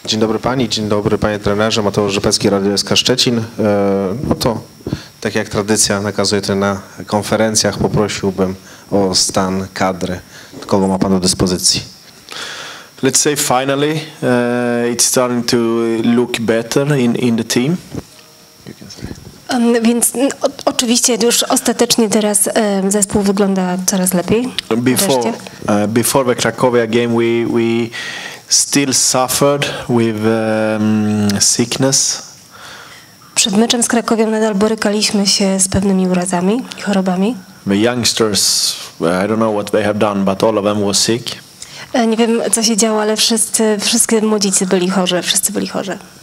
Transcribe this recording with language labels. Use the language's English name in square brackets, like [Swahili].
[Polish] Dzień dobry pani, dzień dobry panie trenerze, Mateusz Rzepecki, Radio SK Szczecin. No to tak jak tradycja nakazuje, to na konferencjach poprosiłbym o stan kadry. Kogo ma pan do dyspozycji? [English] Let's say finally it's starting to look better in the team. [Polish] Więc oczywiście już ostatecznie teraz zespół wygląda coraz lepiej. [English] Before the Cracovia game we still suffered with sickness. [Polish] Przed meczem z Krakowią nadal borykaliśmy się z pewnymi urazami i chorobami. [English] The youngsters, I don't know what they have done, but all of them were sick. [Polish] Nie wiem, co się działo, ale wszyscy młodzicy byli chorzy, wszyscy byli chorzy.